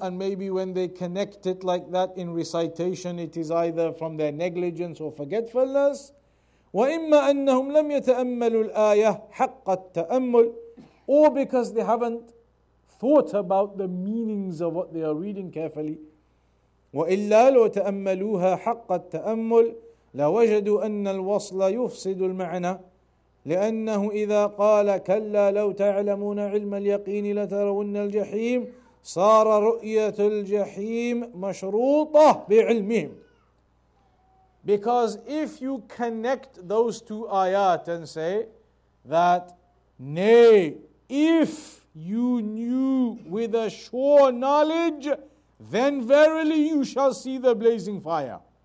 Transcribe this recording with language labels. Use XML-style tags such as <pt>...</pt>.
<en>And maybe when they connect it like that in recitation, it is either from their negligence or forgetfulness.</en> <ar>وَإِمَّا أَنَّهُمْ لَمْ يَتَأَمَّلُوا الْآيَةِ حَقَّ التَّأَمُّلِ</ar> <en>Or because they haven't thought about the meanings of what they are reading carefully.</en> <ar>وَإِلَّا لَوْ تَأَمَّلُوهَا حَقَّ التَّأَمُّلِ لَوَجَدُوا أَنَّ الْوَصْلَ يُفْسِدُ الْمَعْنَى لأنه إذا قال كلا لو تعلمون علم اليقين لترون الجحيم صار رؤية الجحيم مشروطة بعلمهم.</ar> <en>Because if you connect those two ayat and say that, nay, if you knew with a sure knowledge, then verily you shall see the blazing fire.</en>